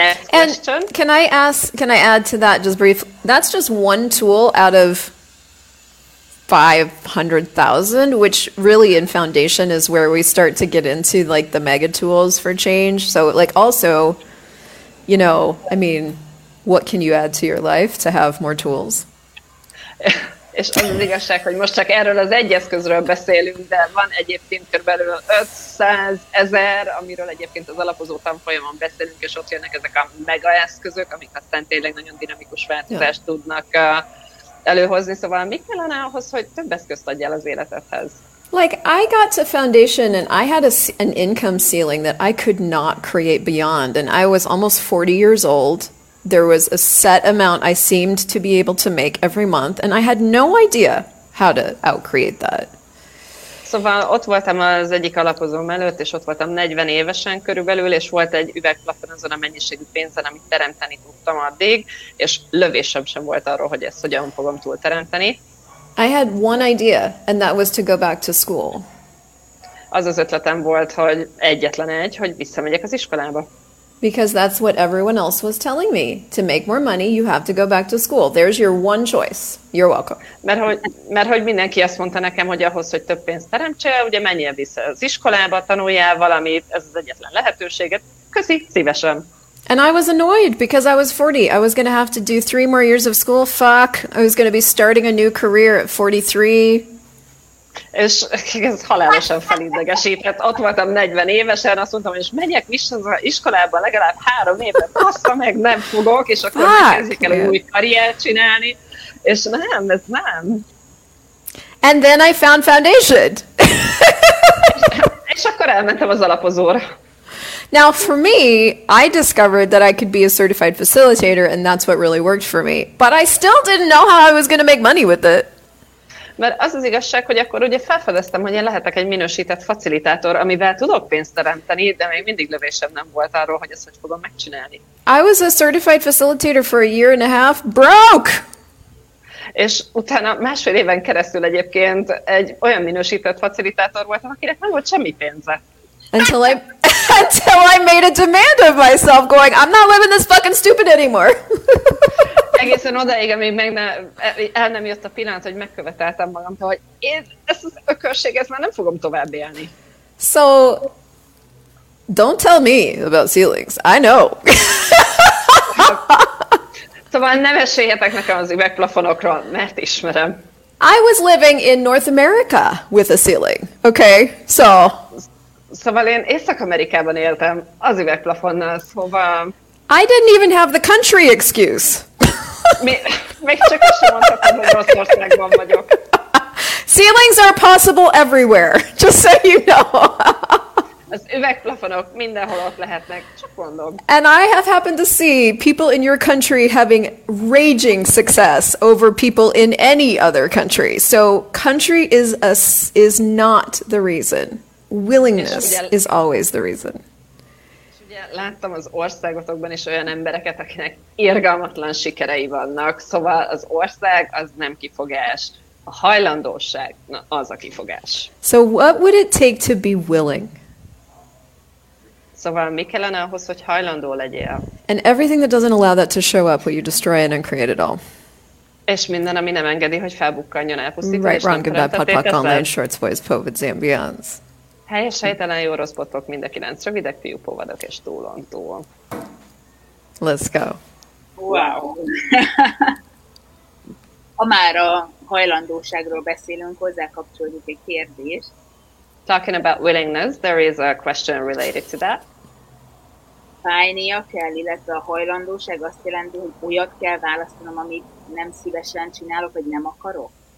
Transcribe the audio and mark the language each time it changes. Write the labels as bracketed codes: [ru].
[en] And can I add to that just brief? That's just one tool out of 500,000, which really in foundation is where we start to get into like the mega tools for change. So like also, you know, I mean, what can you add to your life to have more tools? [hu] És az az igazság, hogy most csak erről az egy eszközről beszélünk, de van egyébként körülbelül 500 ezer, amiről egyébként az alapozó tanfolyamon beszélünk, és ott jönnek ezek a mega eszközök, amik aztán tényleg nagyon dinamikus változást tudnak előhozni. Szóval mit kellene ahhoz, hogy több eszközt adjál az életedhez? [en] Like, I got to foundation and I had an income ceiling that I could not create beyond. And I was almost 40 years old. There was a set amount I seemed to be able to make every month. And I had no idea how to outcreate that. [hu] Szóval ott voltam az egyik alapozóm előtt, és ott voltam 40 évesen körülbelül, és volt egy üvegplafon azon a mennyiségű pénzen, amit teremteni tudtam addig, és lövésem sem volt arról, hogy ezt hogyan fogom túlteremteni. [en] I had one idea, and that was to go back to school. [hu] Az az ötletem volt, hogy egyetlen egy, hogy visszamegyek az iskolába. [en] Because that's what everyone else was telling me. To make more money, you have to go back to school. There's your one choice. You're welcome. [hu] Mert hogy mindenki azt mondta nekem, hogy ahhoz, hogy több pénzt teremtsél, ugye menjél vissza az iskolába, tanuljál valamit, ez az egyetlen lehetőséget. Köszi, szívesen. [en] And I was annoyed because I was 40. I was going to have to do 3 more years of school. Fuck. I was going to be starting a new career at 43. [hu] És ez halálosan felidegesített. Ott voltam 40 évesen, azt mondtam, és menjek vissza az iskolába legalább 3 évet. Passza meg, nem fogok, és akkor kezdjük el új karriert csinálni. És nem, ez nem. [en] And then I found foundation. [hu] És akkor elmentem az alapozóra. [en] Now, for me, I discovered that I could be a certified facilitator, and that's what really worked for me. But I still didn't know how I was going to make money with it. [hu] Mert az az igazság, hogy akkor ugye felfedeztem, hogy én lehetek egy minősített facilitátor, amivel tudok pénzt teremteni, de még mindig lövésem nem volt arról, hogy ezt hogy fogom megcsinálni. [en] I was a certified facilitator for a year and a half, broke! [hu] És utána másfél éven keresztül egyébként egy olyan minősített facilitátor voltam, akinek nem volt semmi pénze. [en] Until I made a demand of myself, going, I'm not living this fucking stupid anymore. [hu] Egészen odaig, amíg el nem jött a pillanat, hogy megköveteltem magamtól, hogy ez az ökörség, ezt már nem fogom tovább élni. [en] So, don't tell me about ceilings. I know. [hu] Szóval ne meséljetek nekem az üvegplafonokról, mert ismerem. [en] I was living in North America with a ceiling, okay? So... [hu] Szóval én Észak-Amerikában éltem, az üvegplafonnal, szóval... [en] I didn't even have the country excuse. [hu] Még csak azt sem mondhatom, hogy Oroszországban vagyok. [en] Ceilings are possible everywhere, just so you know. [hu] Az üvegplafonok mindenhol ott lehetnek, csak mondom. [en] And I have happened to see people in your country having raging success over people in any other country. So country is not the reason. Willingness is always the reason. [hu] És ugye láttam az országotokban is olyan embereket, akinek irgalmatlan sikerei vannak, szóval az ország az nem kifogás, a hajlandóság az a kifogás. [en] So what would it take to be willing? [hu] Szóval mi kellene ahhoz, hogy hajlandó legyél? [en] And everything that doesn't allow that to show up, will you destroy it and create it all? [hu] És minden, ami nem engedi, hogy felbukkanjon, elpusztítani. [en] Right, wrong, good, bad, pot, pot, online, shorts, boys, povids, ambience. [hu] Helyes, helytelen, jó, rossz, botok, mind a 9 rövidek, fiú, povadok és túlontúl. [en] Let's go. Wow. [hu] Ha már a hajlandóságról beszélünk, hozzá kapcsolódik egy kérdés. [en] Talking about willingness, there is a question related to that. [hu] Fájnia kell, illetve a hajlandóság azt jelenti, hogy olyat kell választanom, amit nem szívesen csinálok, vagy nem akarok.